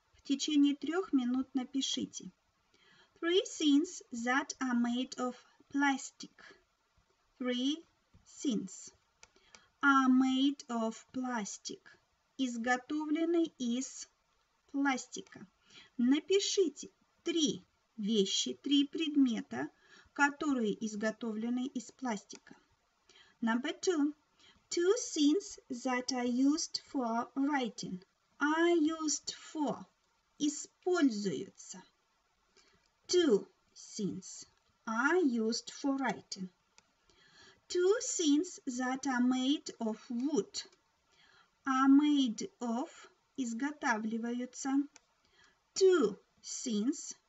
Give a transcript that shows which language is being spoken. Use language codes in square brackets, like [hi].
[ru] В течение 3 минут напишите. [en] Three things that are made of plastic. Three things are made of plastic. [ru] Изготовлены из пластика. Напишите три вещи, три предмета, которые изготовлены из пластика. [en] Number two. Two things that are used for writing. Are used for. Используются. Two things are used for writing. Two things that are made of wood. Are made of. Изготавливаются. Two things